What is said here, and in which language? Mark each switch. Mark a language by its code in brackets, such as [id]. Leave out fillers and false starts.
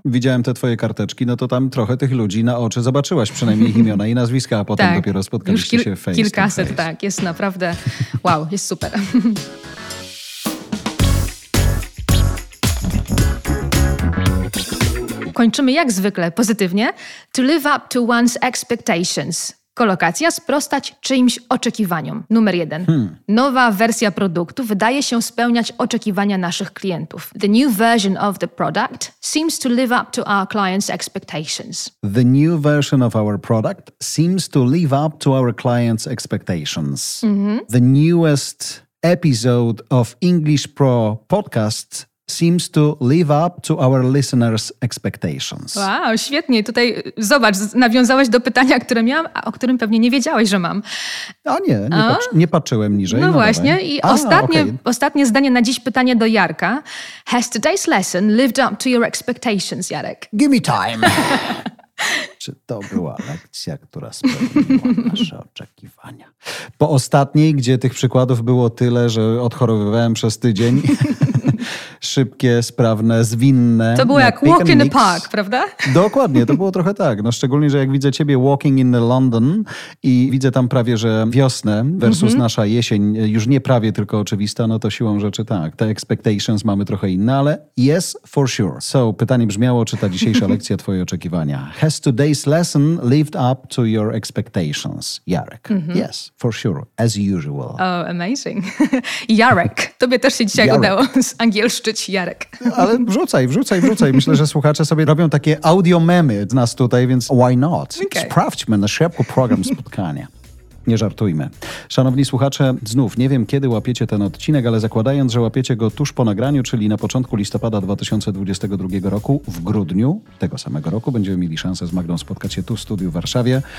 [pl] Widziałem te twoje karteczki, no to tam trochę tych ludzi na oczy zobaczyłaś, przynajmniej ich imiona i nazwiska, a potem tak. Dopiero spotkaliście już się face. Kilkaset, tak. Jest naprawdę, wow, jest super. Kończymy jak zwykle pozytywnie. [en] To live up to one's expectations. [pl] Kolokacja, sprostać czyimś oczekiwaniom. Numer jeden. Nowa wersja produktu wydaje się spełniać oczekiwania naszych klientów. [en] The new version of the product seems to live up to our clients' expectations. The new version of our product seems to live up to our clients' expectations. Mm-hmm. The newest... episode of English Pro Podcast seems to live up to our listeners' expectations. [pl] Wow, świetnie. Tutaj zobacz, nawiązałeś do pytania, które miałam, a o którym pewnie nie wiedziałeś, że mam. A nie, nie patrzyłem niżej. No właśnie. Dawaj. I ostatnie zdanie na dziś, pytanie do Jarka. [en] Has today's lesson lived up to your expectations, Jarek? Give me time. [pl] Czy to była lekcja, która spełniła nasze oczekiwania? Po ostatniej, gdzie tych przykładów było tyle, że odchorowywałem przez tydzień. Szybkie, sprawne, zwinne. To było jak [en] walk in the park, [pl] prawda? Dokładnie, to było trochę tak. No szczególnie, że jak widzę ciebie [en] walking in London [pl] i widzę tam prawie, że wiosnę versus nasza jesień, już nie prawie, tylko oczywista, no to siłą rzeczy tak. Te expectations mamy trochę inne, ale [en] yes, for sure. [pl] So, pytanie brzmiało, czy ta dzisiejsza lekcja twoje oczekiwania? [en] Has today's lesson lived up to your expectations, Jarek? Mm-hmm. Yes, for sure, as usual. Oh, amazing. [pl] Jarek, tobie też się dzisiaj udało z angielskiego. Szczyć Jarek. Ale wrzucaj. Myślę, że słuchacze sobie robią takie audio memy z nas tutaj, więc [en] why not? Okay. [pl] Sprawdźmy na szybko program spotkania. Nie żartujmy. Szanowni słuchacze, znów nie wiem, kiedy łapiecie ten odcinek, ale zakładając, że łapiecie go tuż po nagraniu, czyli na początku listopada 2022 roku, w grudniu tego samego roku, będziemy mieli szansę z Magdą spotkać się tu w studiu w Warszawie.